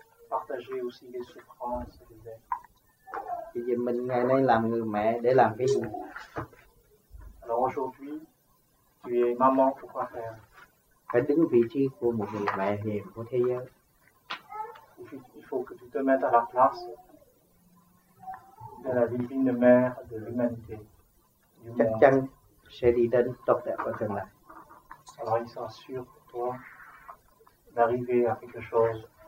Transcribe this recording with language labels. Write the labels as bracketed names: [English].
[French] Partager aussi les souffrances des êtres. [Vietnamese] Vì mình ngày nay làm người mẹ để làm cái gì? [French] Alors aujourd'hui, tu es maman pour quoi faire? [Vietnamese] Phải đứng vị trí của một người mẹ hiền của thế giới. [French] Il faut que tu te mettes à la place de la divine mère de l'humanité. [Vietnamese] Chắc chắn sẽ đi đến tốt đẹp ở tương lai. [French] Alors il sera sûr pour toi d'arriver à quelque chose.